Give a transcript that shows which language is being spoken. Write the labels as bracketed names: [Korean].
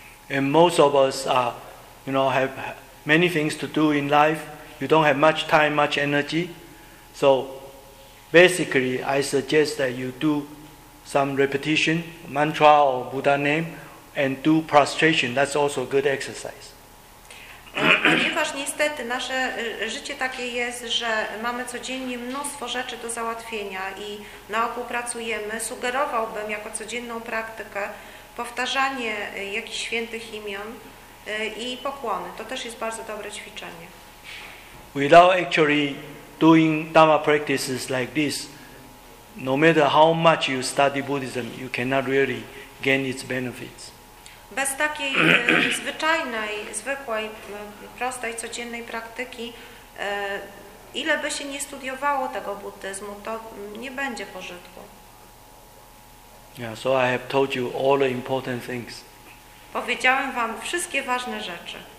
[English] And most of us have many things to do in life. You don't have much time, much energy. So basically, I suggest that you do some repetition, mantra or Buddha name, and do prostration. That's also good exercise. [Polish] Ponieważ niestety nasze życie takie jest, że mamy codziennie mnóstwo rzeczy do załatwienia i na oku pracujemy, sugerowałbym jako codzienną praktykę powtarzanie jakichś świętych imion i pokłony. To też jest bardzo dobre ćwiczenie. [English] Without actually doing Dharma practices like this, no matter how much you study Buddhism, you cannot really gain its benefits. [Polish] Bez takiej zwyczajnej, zwykłej, prostej, codziennej praktyki, ile by się nie studiowało tego buddyzmu, to nie będzie pożytku. [English] Yeah, so I have told you all the important things. [Polish] Powiedziałem wam wszystkie ważne rzeczy.